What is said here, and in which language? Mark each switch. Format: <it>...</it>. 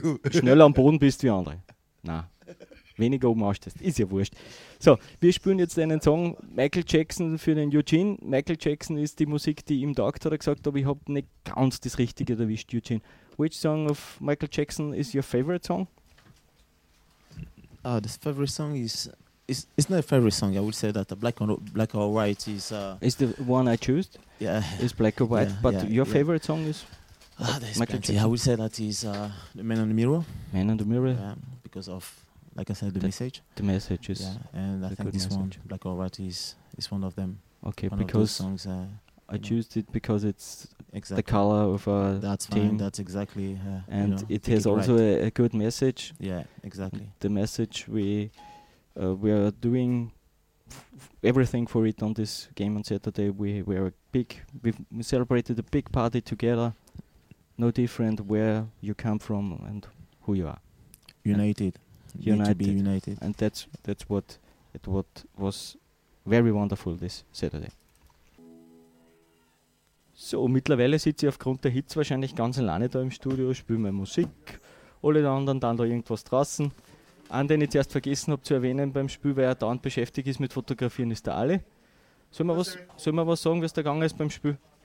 <de>Schneller am Boden bist wie andere. Nein. Weniger oben ausstehst, ist ja wurscht. So, wir spielen jetzt einen Song, Michael Jackson für den Eugene. Michael Jackson ist die Musik, die ihm taugt, hat er gesagt, aber ich habe nicht ganz das Richtige erwischt, Eugene.</de> <en>Which song of Michael Jackson is your favorite song? This favorite song is not a favorite song, I would say that Black or White is... Is the one I choose? Yeah. Is Black or White, yeah, but yeah, your favorite song is... Michael Jackson. I would say that is The Man in the Mirror. Man in the Mirror. Because of... like I said, the message. The message is, and I think this one, Black or White, is one of them. Okay, because songs, I choose it because it's exactly the color of our that's team. Fine, that's exactly, and you know, it has it also right. a good message. Yeah, exactly. The message we are doing everything for it on this game on Saturday. We celebrated a big party together. No different where you come from and who you are. United. You need to be united. And that's what it what was very wonderful this Saturday.</en> <de>So, mittlerweile sitze ich aufgrund der Hits wahrscheinlich ganz alleine da im Studio, spiele meine Musik. Alle anderen dann da irgendwas draußen. An den ich zuerst vergessen habe zu erwähnen beim Spiel, weil er dauernd beschäftigt ist mit Fotografieren, ist der Ali. Soll man was sagen, wie es da gegangen ist beim Spiel?</de>